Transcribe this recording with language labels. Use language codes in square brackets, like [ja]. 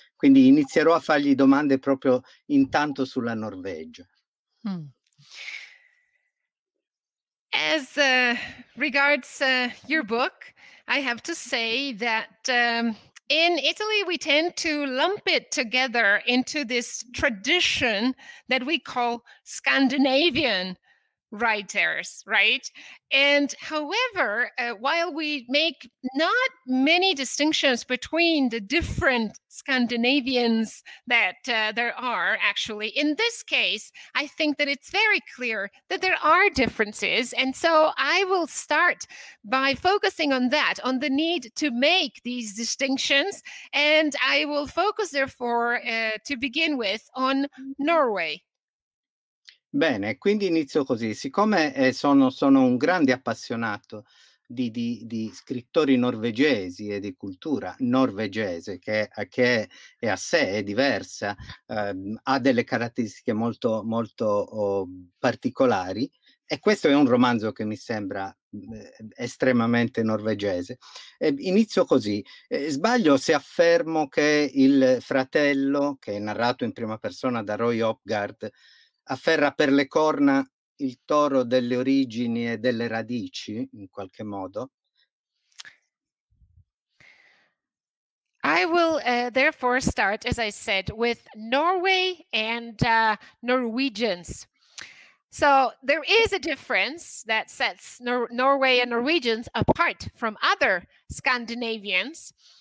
[it] Quindi inizierò a fargli domande proprio intanto sulla Norvegia. [en] As regards your book, I have to say that in Italy we tend to lump it together into this tradition that we call Scandinavian writers, right? And however, while we make not many distinctions between the different Scandinavians that there are, actually, in this case, I think that it's very clear that there are differences. And so I will start by focusing on that, on the need to make these distinctions. And I will focus, therefore, to begin with, on Norway. [it] Bene, quindi inizio così. Siccome sono un grande appassionato di scrittori norvegesi e di cultura norvegese, che è a sé, è diversa, ha delle caratteristiche molto, molto particolari, e questo è un romanzo che mi sembra estremamente norvegese. Inizio così. Sbaglio se affermo che il fratello, che è narrato in prima persona da Roy Hopgard, afferra per le corna il toro delle origini e delle radici, in qualche modo. [en] I will therefore start, as I said, with Norway and Norwegians. So there is a difference that sets Norway and Norwegians apart from other Scandinavians.